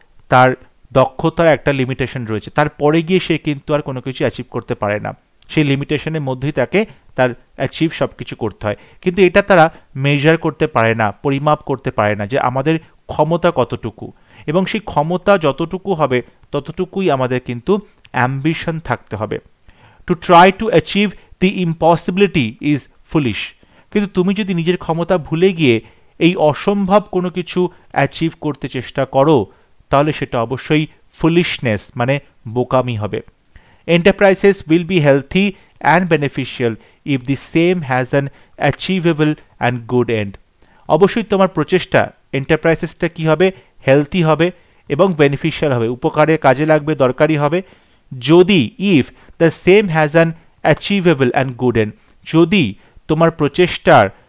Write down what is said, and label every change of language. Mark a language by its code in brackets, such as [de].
[bn] তার দক্ষতার একটা লিমিটেশন রয়েছে, তারপরে গিয়ে সে কিন্তু আর কোনো কিছু অ্যাচিভ করতে পারে না, সেই লিমিটেশনের মধ্যেই তাকে তার অ্যাচিভ সব কিছু করতে হয়, কিন্তু এটা তারা মেজার করতে পারে না, পরিমাপ করতে পারে না যে আমাদের ক্ষমতা কতটুকু, এবং সেই ক্ষমতা যতটুকু হবে ততটুকুই আমাদের কিন্তু অ্যাম্বিশন থাকতে হবে। [en] to try to achieve the impossibility is foolish. [bn] কিন্তু তুমি যদি নিজের ক্ষমতা ভুলে গিয়ে এই অসম্ভব কোনো কিছু অ্যাচিভ করতে চেষ্টা করো তাহলে সেটা অবশ্যই ফুলিশনেস মানে বোকামি হবে [en] enterprises will be healthy and beneficial if the same has an achievable and good end [bn] অবশ্যই তোমার প্রচেষ্টা এন্টারপ্রাইজেসটা কী হবে হেলথি হবে এবং বেনিফিশিয়াল হবে উপকারে কাজে লাগবে দরকারি হবে যদি [en] if the same has an achievable and good end [bn] যদি তোমার প্রচেষ্টার